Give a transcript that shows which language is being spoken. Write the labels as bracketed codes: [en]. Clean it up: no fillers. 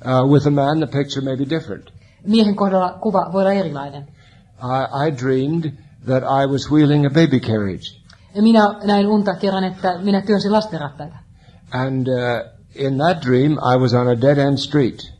[en] With a man the picture may be different. [fi] Miehen kohdalla kuva voi olla erilainen. [en] I dreamed that I was wheeling a baby carriage. [fi] Minä näin unta kerran, että minä työnsin lastenrattaita. [en] And in that dream I was on a dead end street.